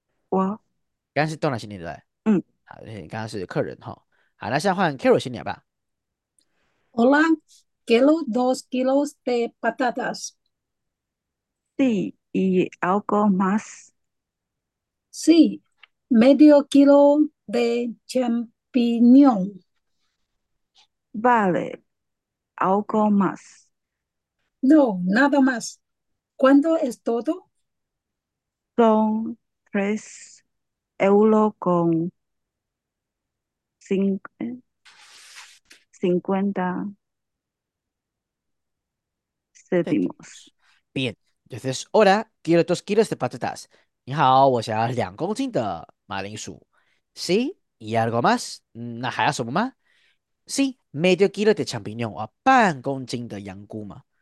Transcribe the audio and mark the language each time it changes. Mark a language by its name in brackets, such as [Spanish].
[Chinese] 刚刚是段老师念的，对。好，刚刚是客人哈。好，那现在换 Carol 先念吧。 [Spanish] Hola, quiero 2 kilos de patatas. Sí. Y algo más. Sí, medio kilo de champiñón. Vale, algo más. No, nada más. ¿Cuánto es todo? Son 3 euros con 50 céntimos. Bien, entonces, hola, quiero 2 kilos de patatas. [Chinese] 你好，我想要2公斤的马铃薯。 [Spanish] Sí, y algo más？ [Chinese] 那还要什么吗？ [Spanish] Sí, medio kilo de champiñón， [Chinese] 半公斤的香菇嘛。